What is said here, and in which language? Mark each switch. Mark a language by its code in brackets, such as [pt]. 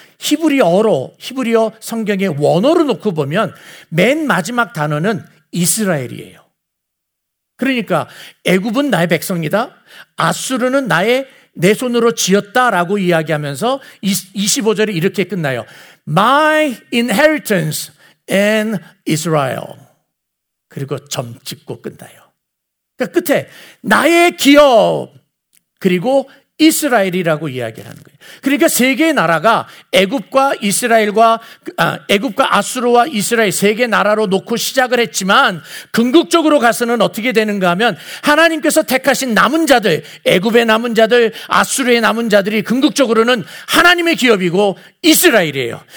[ko] 히브리어로 히브리어 성경의 원어로 놓고 보면 맨 마지막 단어는 이스라엘이에요. 그러니까 애굽은 나의 백성이다. 아수르는 나의 내 손으로 지었다라고 이야기하면서 25절이 이렇게 끝나요. [en] My inheritance in Israel. [ko] 그리고 점 찍고 끝나요. 그러니까 끝에 나의 기업 그리고 이스라엘이라고 이야기하는 거예요. 그러니까 세 개의 나라가 애굽과 이스라엘과 애굽과 아수르와 이스라엘 세 개 나라로 놓고 시작을 했지만 궁극적으로 가서는 어떻게 되는가 하면 하나님께서 택하신 남은 자들, 애굽의 남은 자들, 아수르의 남은 자들이 궁극적으로는 하나님의 기업이고 이스라엘이에요.